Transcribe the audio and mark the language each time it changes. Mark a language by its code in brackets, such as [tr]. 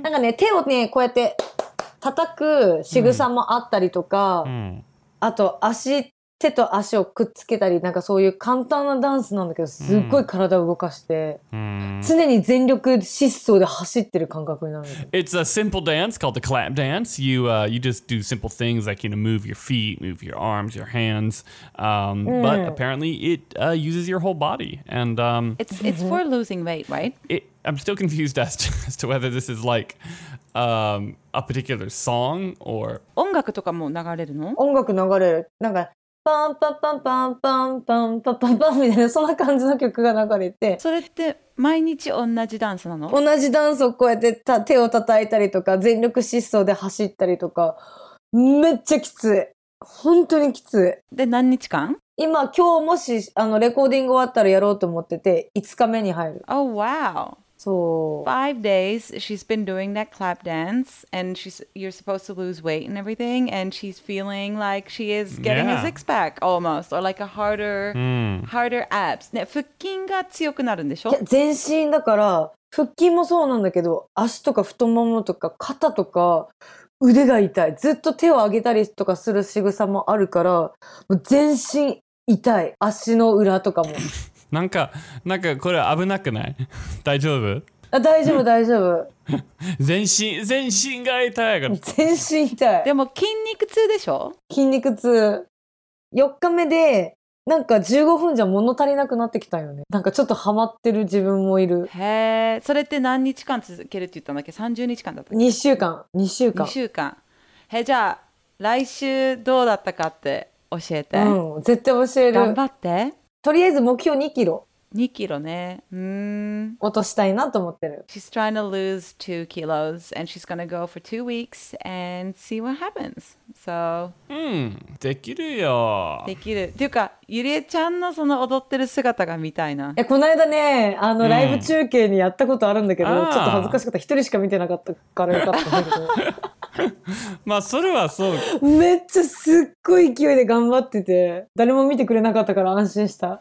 [ja] なんかね、手をね、こうやって叩く仕草もあったりとか、あと手と足をくっつけたり、なんかそういう簡単なダンスなんだけど、すっごい体を動かして、常に全力疾走で走ってる感覚になる。 [en] It's a simple dance called the clap dance. You just do simple things like, you know, move your feet, move your arms, your hands. But apparently it uses your whole body. And it's for losing weight, right? I'm still confused as to whether this is like a particular song or [ja] 音楽とかも流れるの？音楽流れる。なんかパンパンパンパンパンパンパンパンパンみたいな、そんな感じの曲が流れて、それって毎日同じダンスなの？同じダンスをこうやってた手を叩いたりとか、全力疾走で走ったりとか、めっちゃきつい、本当にきつい。で、何日間？今日もしあのレコーディング終わったらやろうと思ってて、5日目に入る。 [en] Oh wow. [ja] そう、 [en] 5 days she's been doing that clap dance and you're supposed to lose weight and everything, and she's feeling like she is getting a six pack almost, or like a harder abs、 [ja] ね、腹筋が強くなるんでしょ？全身だから、腹筋もそうなんだけど、足とか太ももとか肩とか腕が痛い。ずっと手を上げたりとかする仕草もあるから、もう全身痛い、足の裏とかも。なんかこれ危なくない？大丈夫？あ、大丈夫大丈夫。全身が痛いから。全身痛い。でも筋肉痛でしょ？筋肉痛。 4日目でなんか15分じゃ物足りなくなってきたよね。なんかちょっとハマってる自分もいる。へえ、それって何日間続けるって言ったんだっけ？ 30日間だったっけ？2週間。 2週間。へえ、じゃあ来週どうだったかって教えて。うん、絶対教える。頑張って。とりあえず目標2キロ。 2キロね。落としたいなと思ってる。 [en] She's trying to lose 2 kilos and she's gonna go for 2 weeks and see what happens. So... [ja] できるよ。できる。っていうか、ゆりえちゃんのその踊ってる姿が見たいな。え、この間ね、あのライブ中継にやったことあるんだけど、ちょっと恥ずかしかった。一人しか見てなかったからよかったんだけど。まあそれはそう。めっちゃすっごい勢いで頑張ってて、誰も見てくれなかったから安心した。